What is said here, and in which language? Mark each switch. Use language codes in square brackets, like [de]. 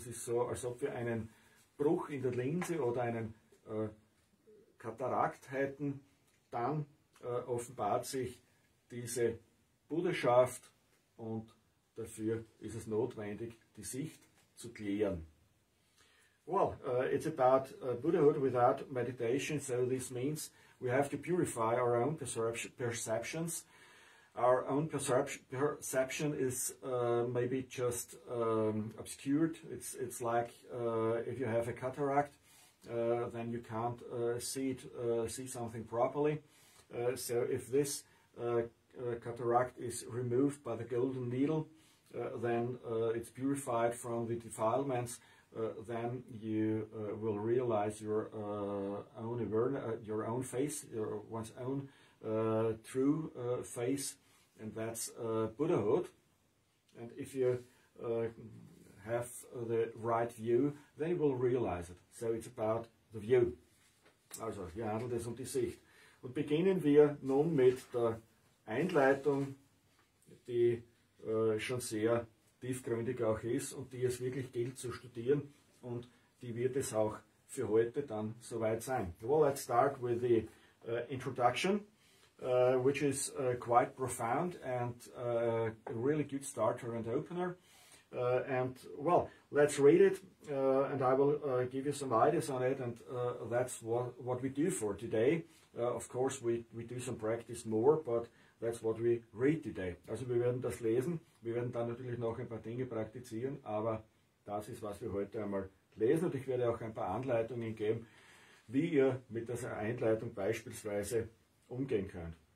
[de] Das ist so, als ob wir einen Bruch in der Linse oder einen Katarakt hätten, dann offenbart sich diese Buddhaschaft und dafür ist es notwendig, die Sicht zu klären. [en] Well, it's about Buddhahood without meditation, so this means we have to purify our own perceptions. Our own perception is maybe just obscured. It's like if you have a cataract, then you can't see something properly. So if this cataract is removed by the golden needle, then it's purified from the defilements. Then you will realize your own awareness, your own face, your one's own true face. and that's Buddhahood. And if you have the right view, then you will realize it. So it's about the view. [de] Also, hier handelt es um die Sicht. Und beginnen wir nun mit der Einleitung, die schon sehr tiefgründig auch ist und die es wirklich gilt zu studieren, und die wird es auch für heute dann soweit sein. [en] Well, let's start with the introduction, which is quite profound and a really good starter and opener. And well, let's read it, and I will give you some ideas on it, and that's what we do for today. Of course, we do some practice more, but that's what we read today. [de] Also, wir werden das lesen, wir werden dann natürlich noch ein paar Dinge praktizieren, aber das ist, was wir heute einmal lesen, und ich werde auch ein paar Anleitungen geben, wie ihr mit dieser Einleitung beispielsweise umgehen könnt.